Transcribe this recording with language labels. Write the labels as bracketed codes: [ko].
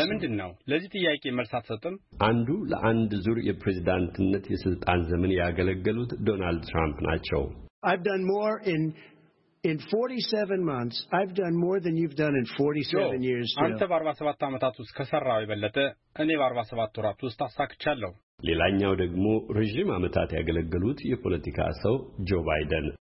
[am] ለምንድን ነው ለዚህ ጥያቄ መልስ አትሰጥም? አንዱ ለአንድ ዙር የፕሬዝዳንትነት የስልጣን ዘመን ያገለገሉት ዶናልድ ትራምፕ ናቸው። [en] I've done more in 47 months I've done more than you've done in 47 years. [am] አንተ በ47 አመታት ውስጥ ከሰራው የበለጠ እኔ በ47 ወራት ውስጥ አሳክቻለሁ። ሌላኛው ደግሞ ሪጂም አመታት ያገለገሉት የፖለቲካ ሰው ጆ ባይደን።